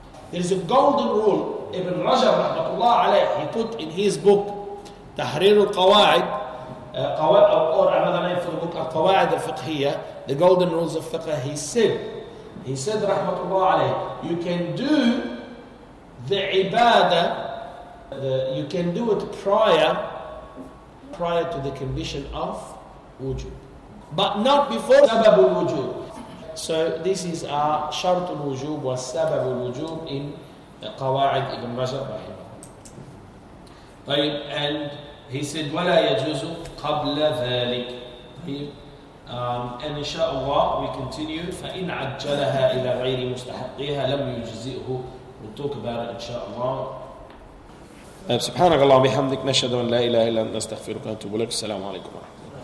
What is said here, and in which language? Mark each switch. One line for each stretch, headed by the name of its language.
English: There's a golden rule. Ibn Rajab, rahmatullah alayh, he put in his book, Tahrir al-Qawa'id, or another name for the book, Al-Qawa'id al-Fiqhiyya, the golden rules of fiqh, he said, rahmatullah alayh, you can do the ibadah, you can do it prior to the condition of wujud. But not before sabab al-wujud. So this is a shart al-wujub wa sabab al-wujub in Qawa'id ibn Rajab rahimahullah. And he said,
Arabic: وَلَا يَجُوزُ قَبْلَ ذَلِكَ.
English: And inshaAllah we continue.
Arabic: فَإِنْ عَجَّلَهَا إِلَى غَيْرِ مُسْتَحَقِّهَا لَمْ يُجْزِئْهُ.
English: We'll talk about it inshaAllah.
Arabic: سبحانك اللهم بحمدك نشهد أن لا إله إلا أنت نستغفرك ونتوب إليك. السلام عليكم ورحمة الله.